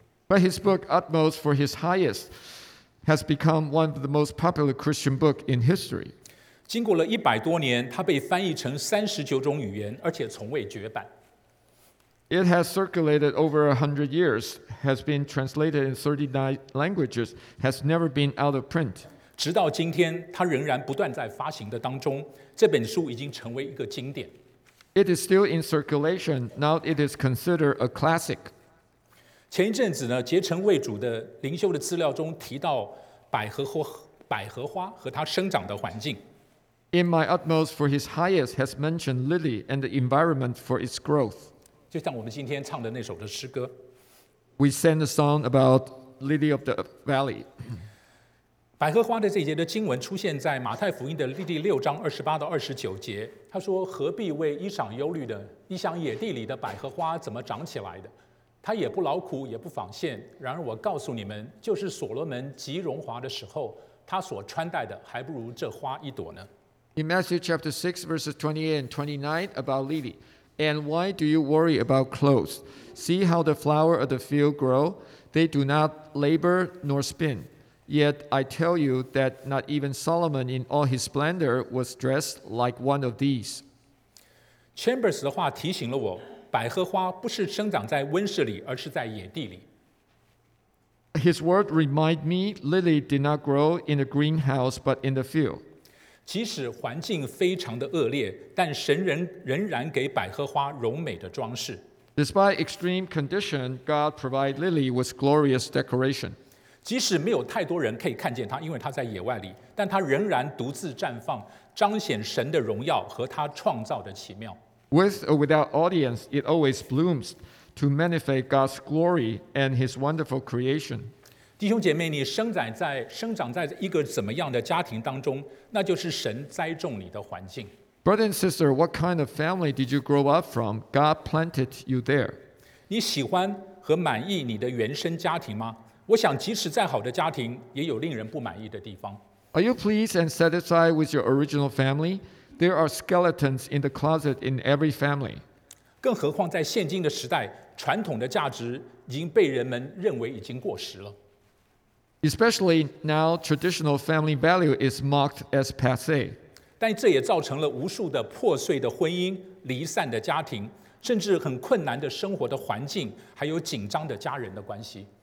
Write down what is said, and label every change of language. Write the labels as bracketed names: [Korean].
[English] But his book, Utmost for His Highest, has become one of the most popular Christian books in history. [Chinese] 经过了100多年，它被翻译成39种语言，而且从未绝版。 [English] It has circulated over 100 years, has been translated in 39 languages, has never been out of print. [Chinese] 直到今天，它仍然不断在发行的当中。这本书已经成为一个经典。 [English] It is still in circulation. Now it is considered a classic. [Chinese] 前一阵子呢，结成为主的灵修的资料中提到百合花和它生长的环境。 [English] In my utmost for his highest has mentioned lily and the environment for its growth. [Chinese] 就像我们今天唱的那首的诗歌。 [English] We sang a song about lily of the valley. [Chinese] 百合花的这节的经文出现在马太福音的第六章二十八到二十九节。他说：“何必为衣裳忧虑的？你想野地里的百合花怎么长起来的？” 他也不劳苦，也不纺线。然而我告诉你们，就是所罗门极荣华的时候，他所穿戴的还不如这花一朵呢。 [English] In Matthew chapter 6, verses 28 and 29, about lily. And why do you worry about clothes? See how the flower of the field grow? They do not labor nor spin. Yet I tell you that not even Solomon in all his splendor was dressed like one of these. [Chinese] Chambers 的话提醒了我，百合花不是生长在温室里，而是在野地里。 [English] His word remind me, lily did not grow in a greenhouse, but in the field. [Chinese] 即使环境非常的恶劣，但神仍然给百合花柔美的装饰。 [English] Despite extreme condition, God provide lily with glorious decoration. [Chinese] 即使没有太多人可以看见它，因为它在野外里，但它仍然独自绽放，彰显神的荣耀和它创造的奇妙。 [English] With or without audience, it always blooms to manifest God's glory and His wonderful creation. [Chinese] 弟兄姐妹，你生长在一个怎么样的家庭当中？那就是神栽种你的环境。 [English] Brother and sister, what kind of family did you grow up from? God planted you there. [Chinese] 你喜欢和满意你的原生家庭吗？我想，即使再好的家庭，也有令人不满意的地方。 [English] Are you pleased and satisfied with your original family? There are skeletons in the closet in every family. [Chinese] 更何况在现今的时代，传统的价值已经被人们认为已经过时了。 [English] Especially now, traditional family value is mocked as passé. [Chinese] 但这也造成了无数的破碎的婚姻、离散的家庭，甚至很困难的生活的环境，还有紧张的家人的关系。